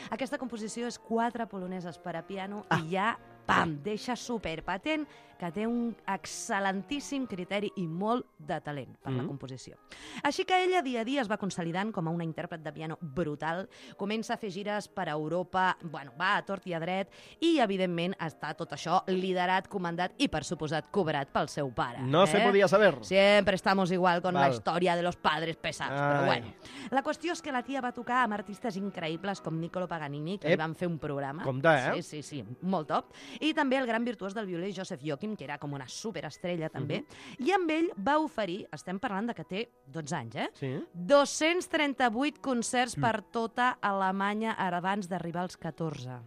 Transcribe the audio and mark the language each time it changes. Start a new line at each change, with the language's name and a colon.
Catalan: Aquesta composició és 4 poloneses per a piano i ja, pam, deixa superpatent que té un excel·lentíssim criteri i molt de talent per la composició. Així que ella dia a dia es va consolidant com a una intèrpret de piano brutal, comença a fer gires per a Europa, bueno, va a tort i a dret, i evidentment està tot això liderat, comandat i, per suposat, cobrat pel seu pare. No se podia saber.
Spanish: Siempre estamos igual con la història de los padres pesados. Ai.
Catalan: Però bueno, la qüestió és que la tia va tocar amb artistes increïbles com Niccolò Paganini, que li van fer un programa. Compte, Sí, sí, sí, molt top. I també el gran virtuós del violí, Joseph Joachim, que era com una superestrella, també, i amb ell va oferir, estem parlant de que té 12 anys, 238 concerts per tota Alemanya abans d'arribar als 14.